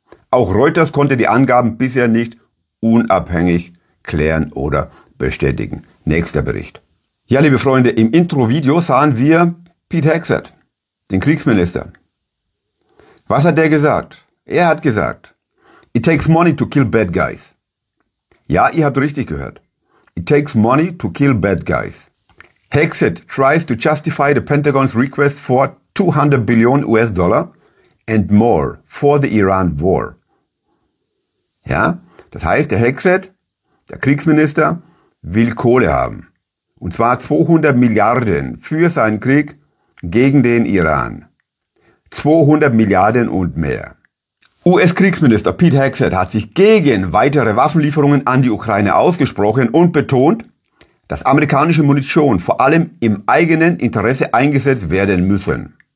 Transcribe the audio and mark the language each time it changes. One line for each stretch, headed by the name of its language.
German: Auch Reuters konnte die Angaben bisher nicht unabhängig klären oder bestätigen. Nächster Bericht. Ja, liebe Freunde, im Intro-Video sahen wir Pete Hegseth, den Kriegsminister. Was hat der gesagt? Er hat gesagt,
English: "It takes money to kill bad guys."
German: Ja, ihr habt richtig gehört.
English: It takes money to kill bad guys. Hegseth tries to justify the Pentagon's request for $200 billion and more for the Iran war.
German: Ja, das heißt, der Hegseth, der Kriegsminister, will Kohle haben. Und zwar 200 Milliarden für seinen Krieg gegen den Iran. 200 Milliarden und mehr. US-Kriegsminister Pete Hegseth hat sich gegen weitere Waffenlieferungen an die Ukraine ausgesprochen und betont, dass amerikanische Munition vor allem im eigenen Interesse eingesetzt werden müssen.